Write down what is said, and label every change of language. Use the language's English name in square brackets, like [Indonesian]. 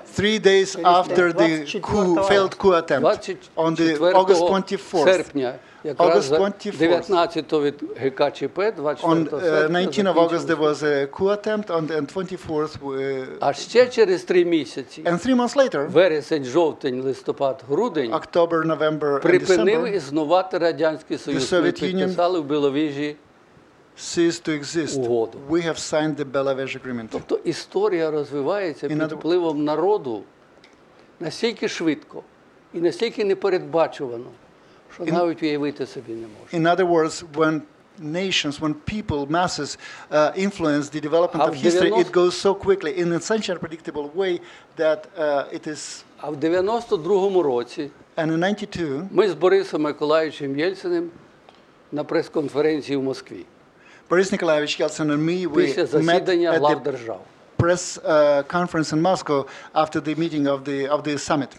[English] 3 days after the coup, failed coup attempt on the August 24th. [Ukrainian] Серпня, [English] August 24th. [Ukrainian] 19-го ГКЧП, 24-го. [English] On 19 of August there was a coup attempt on the 24th. [Ukrainian] А ще через 3 місяці. [English] And 3 months later. [Ukrainian] Вересень, жовтень, листопад, грудень. [English] October, November, December. [Ukrainian] Припинив існувати Радянський Союз. [English] The Soviet Union [Ukrainian] підписали в Біловіжі. [English] Ceased to exist. [Ukrainian] Угоду. [English] We have signed the Belavezh Agreement. [Ukrainian] Тобто історія розвивається під впливом народу настільки швидко і настільки непередбачувано, [English] In other words, when nations, when people, masses influence the development of history, it goes so quickly in such an unpredictable way that it is. [Ukrainian] А в 92-му році ми з Борисом Миколаєвичем Єльциним на прес-конференції в Москві. [English] Борис Миколаєвич Єльцин and me, we met at the press conference in Moscow after the meeting of the summit.